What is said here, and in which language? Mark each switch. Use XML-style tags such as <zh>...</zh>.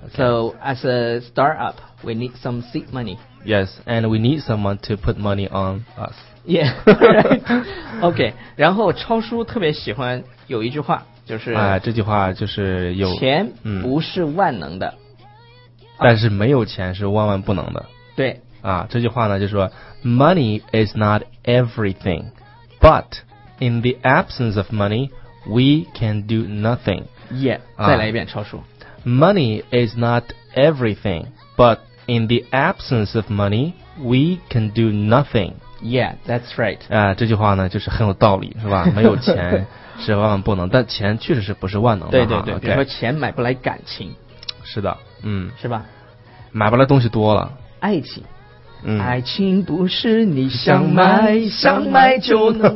<en>So as a startup, we need some seed money. Yes, and we need someone to put money on us. Yeah. OK.</en> <zh>然后超叔特别喜欢有一句话。就是这句话就是有钱不是万能的，但是没有钱是万万不能的。对啊，这句话呢就是说</zh> <en>money is not everything， but in the absence of money we can do nothing。</en> <zh>yeah， 再来一遍超叔。</zh> <en>money is not everything， but in the absence of money we can do nothing。 yeah， that's right。</en> <zh>这句话呢就是很有道理，是吧？没有钱是万万不能，但钱确实是不是万能的。对对对、</zh> <en>okay、</en> <zh>比如说钱买不来感情。是的，是吧？买不来东西多了。爱情。嗯，爱情不是你想买想买就能</zh>